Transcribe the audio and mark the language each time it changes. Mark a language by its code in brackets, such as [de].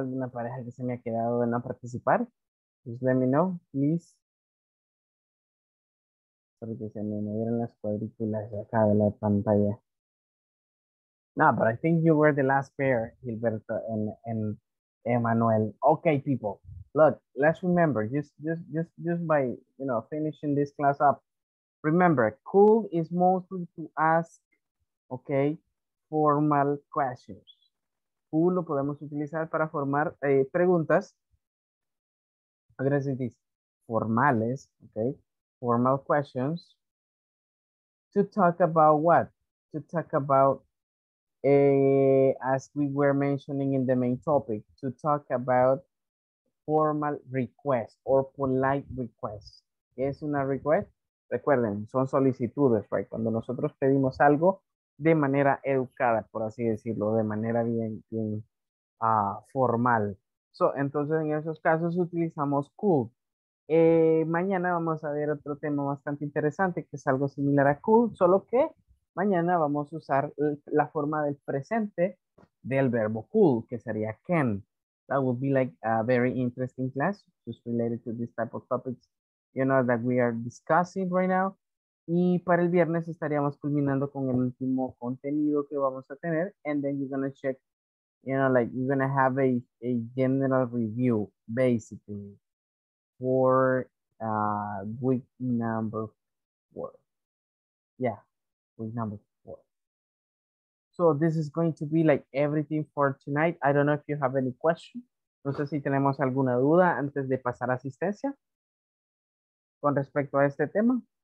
[es] ¿Alguna pareja que se me ha quedado de no participar? [en] Just let me know, please. [es] Porque se me dieron las cuadrículas acá de la pantalla. [en] No, but I think you were the last pair, Gilberto and Emmanuel. Okay, people. Look, let's remember, just by, you know, finishing this class up. Remember, cool is mostly to ask, okay, formal questions. [es] Cool lo podemos utilizar para formar preguntas. [en] I'm gonna say this, [es] formales, okay. [en] Formal questions to talk about what? To talk about, as we were mentioning in the main topic, to talk about formal requests or polite requests. [es] ¿Qué es una request? Recuerden, son solicitudes, right? Cuando nosotros pedimos algo de manera educada, por así decirlo, de manera bien formal. So, entonces en esos casos utilizamos could. Mañana vamos a ver otro tema bastante interesante que es algo similar a cool, solo que mañana vamos a usar la forma del presente del verbo cool, que sería can. [en] That would be like a very interesting class, just related to this type of topics you know, that we are discussing right now. [es] Y para el viernes estaríamos culminando con el último contenido que vamos a tener. [en] And then you're going to check, you know, like you're going to have a general review, basically, for week number four. Yeah, week number four. So this is going to be like everything for tonight. I don't know if you have any question. [es] No sé si tenemos alguna duda antes de pasar a asistencia con respecto a este tema.